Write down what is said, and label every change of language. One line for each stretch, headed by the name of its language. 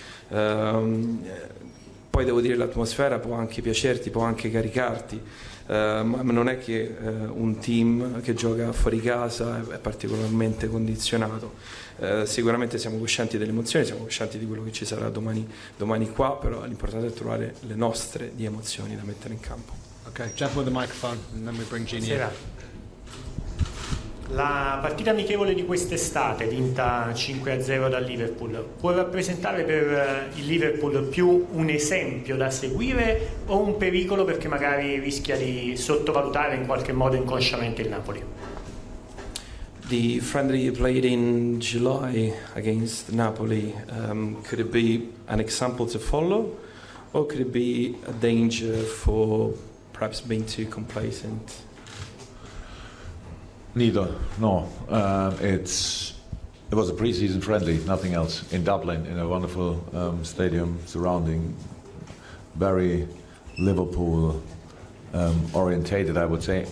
Italian: Poi devo dire, l'atmosfera può anche piacerti, può anche caricarti. Ma non è che un team che gioca fuori casa è particolarmente condizionato. Sicuramente siamo coscienti delle emozioni, siamo coscienti di quello che ci sarà domani qua, però l'importante è trovare le nostre di emozioni da mettere in campo.
English: Ok, jump with the microphone and then we bring Gini.
Italian: Sera. La partita amichevole di quest'estate, vinta 5-0 dal Liverpool, può rappresentare per il Liverpool più un esempio da seguire o un pericolo perché magari rischia di sottovalutare in qualche modo inconsciamente il Napoli?
English: The friendly you played in July against Napoli, could it be an example to follow or could it be a danger for perhaps being too complacent? Neither, no. It was a pre-season friendly, nothing else, in Dublin, in a wonderful stadium surrounding very Liverpool orientated, I would say.